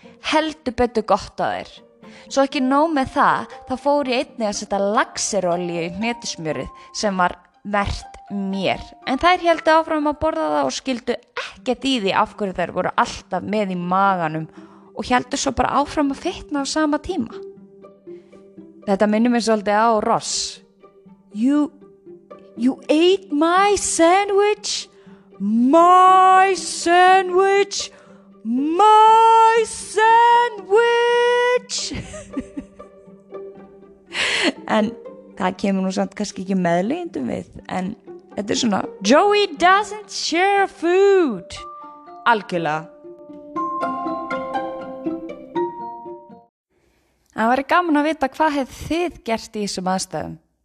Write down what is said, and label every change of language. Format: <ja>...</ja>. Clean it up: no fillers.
<is>Heldu betur gott að þeir. Svo ekki nóg með það, þá fór ég einnig að setja laxerolíu í hnetusmjörið sem var merkt mér. En þær heldu áfram að borða það og skildu ekkert í því af hverju þær voru alltaf með í maganum og heldu svo bara áfram að fitna á sama tíma. Þetta minnir mér svolítið á Ross.</is> <en>You ate my sandwich, my sandwich, my sandwich.</en> <is>En það kemur nú samt kannski ekki meðlegindum við, en þetta svona</is> <en>Joey doesn't share food,</en> <is>algjörlega. Það væri gaman að vita hvað hefð þið gert í þessum aðstæðum.</is>